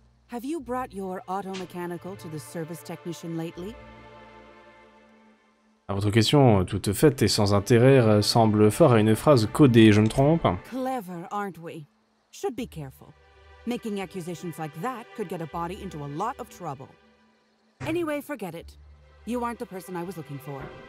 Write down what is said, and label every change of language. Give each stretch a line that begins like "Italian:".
English: Have you brought your auto mechanical to the service technician lately?
French: À votre question, toute faite et sans intérêt, ressemble fort à une phrase codée, je me trompe.
English: Clever, aren't we? Should be careful. Making accusations like that could get a body into a lot of trouble. Anyway, forget it. You aren't the person I was looking for.